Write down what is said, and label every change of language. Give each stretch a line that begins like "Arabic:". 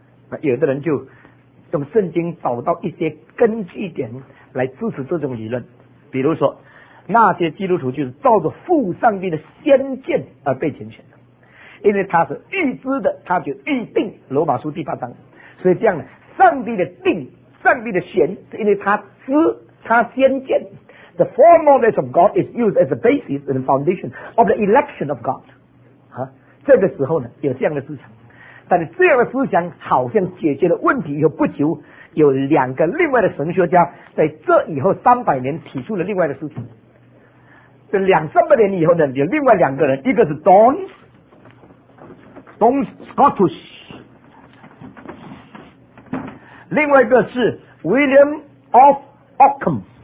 Chinese: 那有的人就用圣经找到一些根据点来支持这种理论，比如说那些基督徒就是照着父上帝的先见而被拣选的，因为他是预知的，他就预定，罗马书第八章。所以这样呢，上帝的定，上帝的选，因为他知，他先见。
English: The foreknowledge of God is used as the basis and foundation of the election of God。
Chinese: 这个时候呢，有这样的思想，但是这样的思想好像解决了问题以后，不久有两个另外的神学家在这以后300年提出了另外的思想。这两三百年以后呢，有另外两个人，一个是 Don Scotus， 另外一个是 William of Ockham。